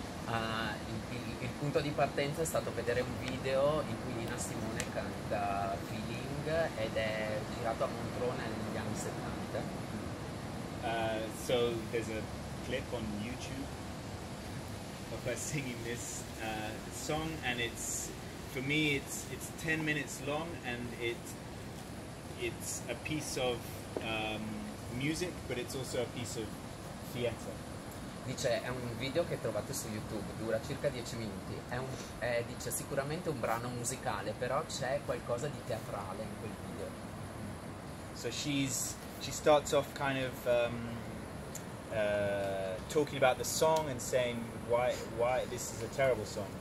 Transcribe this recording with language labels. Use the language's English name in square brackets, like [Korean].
[Italian] Il punto di partenza è stato vedere un video in cui Nina Simone canta Feeling ed è girato a Montreux negli anni 70. [English] So there's a clip on YouTube of her singing this song, and it's, for me, it's 10 minutes long, and it's a piece of music, but it's also a piece of theater. [Italian] Dice, è un video che trovate su YouTube, dura circa 10 minuti. È dice, sicuramente un brano musicale, però c'è qualcosa di teatrale in quel video. [English] So she starts off kind of talking about the song and saying why this is a terrible song.